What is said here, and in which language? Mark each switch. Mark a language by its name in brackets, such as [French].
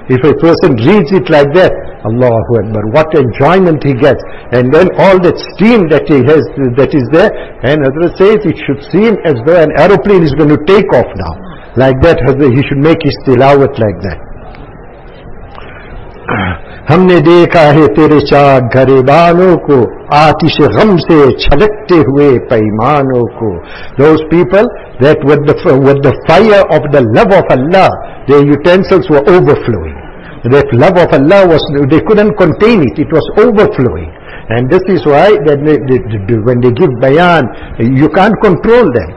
[English] If a person reads it like that, Allahu Akbar, what enjoyment he gets. And then all that steam that he has, that is there, and Hazrat says it should seem as though an aeroplane is going to take off now. Like that, he should make his tilawat like that. [Urdu] ہم نے دیکھا ہے تیرے چاک گریبانوں کو، آتش غم سے چھلکتے ہوئے پیمانوں کو. [English] Those people that with the fire of the love of Allah, their utensils were overflowing. That love of Allah was, they couldn't contain it, it was overflowing. And this is why that when they give bayan, you can't control them.